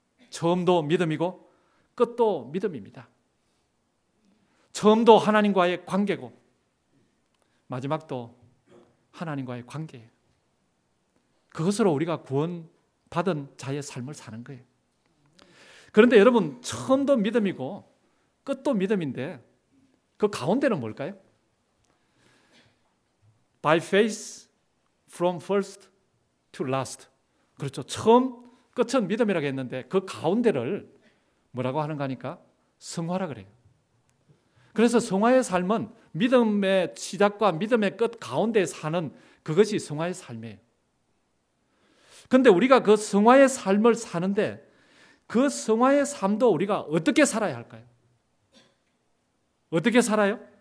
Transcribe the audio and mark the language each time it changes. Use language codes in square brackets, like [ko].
[ko] 처음도 믿음이고 끝도 믿음입니다. 처음도 하나님과의 관계고 마지막도 하나님과의 관계예요. 그것으로 우리가 구원받은 자의 삶을 사는 거예요. 그런데 여러분, 처음도 믿음이고 끝도 믿음인데 그 가운데는 뭘까요? [en] By faith, from first to last. [ko] 그렇죠. 처음, 끝은 믿음이라고 했는데 그 가운데를 뭐라고 하는가 하니까 성화라 그래요. 그래서 성화의 삶은 믿음의 시작과 믿음의 끝 가운데 사는 그것이 성화의 삶이에요. 그런데 우리가 그 성화의 삶을 사는데 그 성화의 삶도 우리가 어떻게 살아야 할까요? 어떻게 살아요?